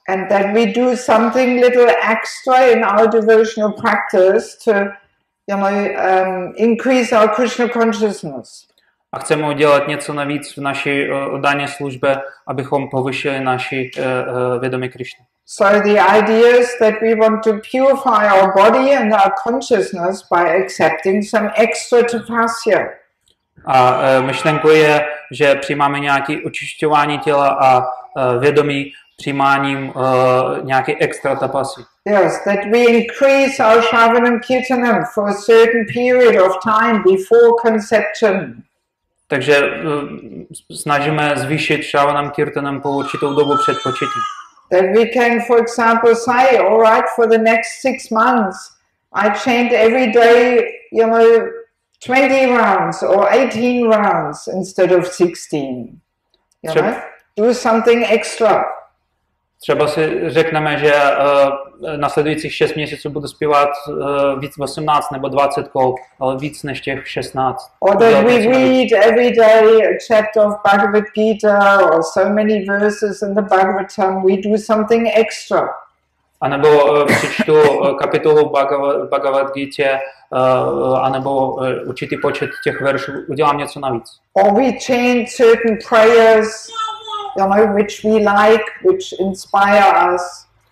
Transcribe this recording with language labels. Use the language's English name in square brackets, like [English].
[English] And that we do something little extra in our devotional practice to, you know, increase our Krishna consciousness. [Czech] A chceme udělat něco navíc v naší dané službě, abychom povyšili naši vědomí Krishna. [English] So the idea is that we want to purify our body and our consciousness by accepting some extra tapasya. [Czech] A myšlenka je, že přijímáme nějaké očišťování těla a vědomí přijímáním nějaké extra tapasy. [English] Yes, that we increase our shravanam kirtanam for a certain period of time before conception. [Czech] Takže snažíme zvýšit shravanam kirtanam po určitou dobu před početím. [English] That we can, for example, say, all right, for the next 6 months, I chant every day, you know, 20 rounds or 18 rounds instead of 16. You [Czech] třeba, [English] know? Do something extra. [Czech] Třeba si řekneme, že nasledujících 6 měsíců budu zpívat víc 18 nebo 20 kol, ale víc než těch 16. [English] Or that we read every day a chapter of Bhagavad Gita or so many verses in the Bhagavatam, we do something extra. [Czech] A nebo přečtu kapitolu Bhagavad Gita, anebo určitý počet těch veršů, udělám něco navíc. [English] Or we chant certain prayers, you know, which we like, which inspire us.